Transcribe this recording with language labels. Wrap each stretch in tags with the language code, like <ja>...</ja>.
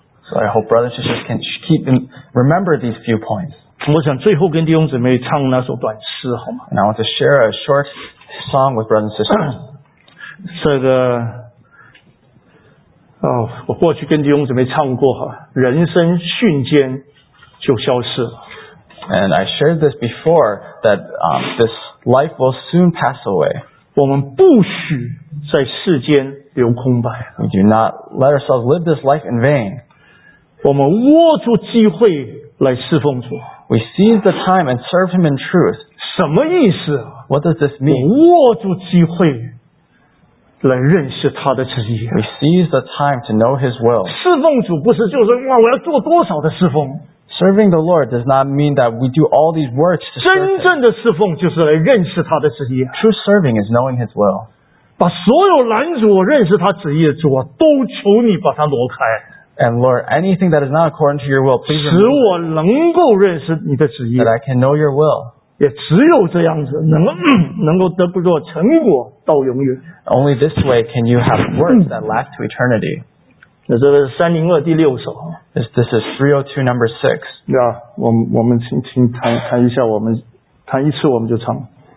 <en>So I hope brothers and sisters can keep and remember these few points.</en> <zh>我想最后跟弟兄姊妹唱那首短诗好吗？</zh> <en>And I want to share a short song with brothers and sisters.</en> <zh>这个我过去跟弟兄姊妹唱过，人生瞬间就消失了。</zh> <en>And I shared this before that this life will soon pass away.</en> <zh>我们不许在世间留空白。</zh> <en>We do not let ourselves live this life in vain.</en> <zh>我们握住机会来侍奉主。</zh> <en>We seize the time and serve him in truth.</en> <zh>什么意思？</zh> <en>What does this mean?</en> <zh>握住机会来认识他的旨意。</zh> <en>We seize the time to know his will.</en> <zh>侍奉主不是就是哇，我要做多少的侍奉。</zh> <en>Serving the Lord does not mean that we do all these works.</en> <zh>真正的侍奉就是来认识他的旨意。</zh> <en>True serving is knowing His will.</en> <zh>把所有拦阻我认识他旨意的主啊，都求你把它挪开。</zh> <en>And Lord, anything that is not according to Your will, please.</en> <zh>使我能够认识你的旨意。</zh> <en>That I can know Your will.</en> <zh>也只有这样子，能够得不着成果到永远。</zh> <en>Only this way can you have works that last to eternity.</en> <zh>那这个302第六首。</zh> <en>This is 302 number 6.</en> <zh>Yeah, 我们请谈一下，我们谈一次我们就唱。</zh>